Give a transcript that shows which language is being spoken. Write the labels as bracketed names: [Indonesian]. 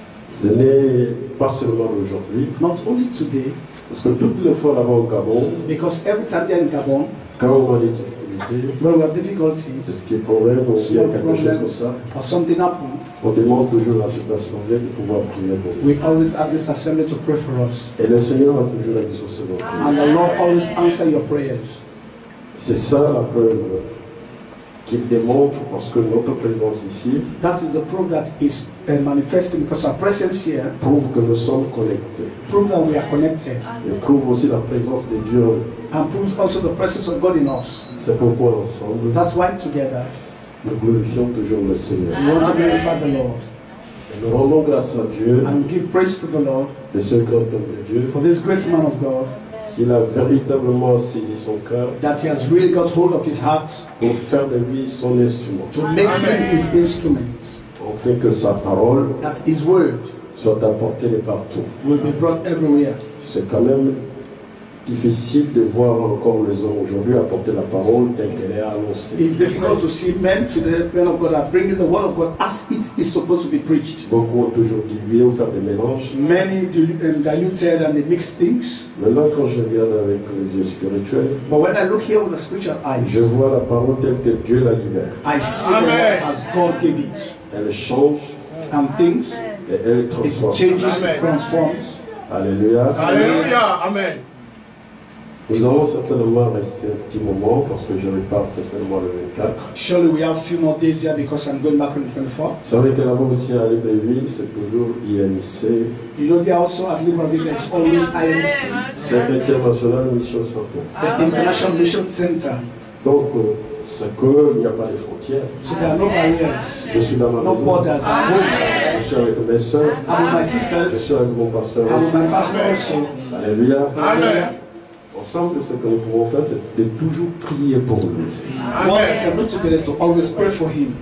[French] Ce n'est pas seulement aujourd'hui. [English] Not only today. [French] Parce que toutes les fois là-bas au Gabon. [English] Because every time they're in Gabon. [French] Quand on a des difficultés, [English] when we have difficulties, [French] des problèmes, ou il y a quelque chose comme ça, [English] or something happens, [French] on demande toujours à cette assemblée de pouvoir prier pour nous. [English] We always ask this assembly to pray for us. [French] Et le Seigneur a toujours exaucé vos prières. [English] And the Lord always answers your prayers. [French] C'est ça la preuve qu'il démontre parce que notre présence ici. [English] That is the proof that is manifesting because our presence here. [French] Prouve que nous sommes connectés. [English] Prove that we are connected. [French] Et prouve aussi la présence de Dieu. [English] And proves also the presence of God in us. [French] C'est pourquoi ensemble. [English] That's why together. [French] Nous glorifions toujours le Seigneur. [English] We want to glorify the Lord. [French] Et nous rendons grâce à Dieu. [English] And give praise to the Lord. [French] De ce grand homme de Dieu. [English] For this great man of God. [French] Qu'il a véritablement saisi son cœur. [English] That he has really got hold of his heart. [French] Pour faire de lui son instrument. [English] To make him his instrument. [French] Afin que sa parole. [English] That his word. [French] Soit apportée partout. [English] Will be brought everywhere. [French] C'est quand même difficile de voir encore les hommes aujourd'hui apporter la parole telle qu'elle est annoncée. [English] It's difficult to see men today, men of God, are bringing the word of God as it is supposed to be preached. [French] Beaucoup ont toujours dilué ou faire des mélanges. [English] Many diluted and they mixed things. [French] Mais là, quand je regarde avec les yeux spirituels, [English] but when I look here with the spiritual eyes, [French] je vois la parole telle que Dieu la libère. [English] I see the word as God gave it. [French] Elle change. [English] And things. [French] Et elle transforme. [English] It changes and transforms. [French] Alléluia. [English] Alléluia. Amen. [French] Nous allons certainement rester un petit moment parce que je repars certainement le 24. [English] Surely we have a few more days here because I'm going back on the 24th. [French] Vous savez que là-bas aussi à Libreville, c'est toujours IMC. [English] You know, there also at Libreville, there's always IMC. [French] C'est l'International Mission Center. [English] The International Mission Center. [French] Donc, c'est qu'il n'y a pas de frontières. [English] So there are no barriers. [French] Je suis dans ma [English] no borders. I'm home. [French] Je suis avec mes soeurs. [English] I'm with my sisters. [French] Je suis avec mon pasteur aussi. [English] I'm with my pastor also. [French] Alléluia. [English] Amen. [French] Ensemble, ce que nous pouvons faire, c'est de toujours prier pour lui.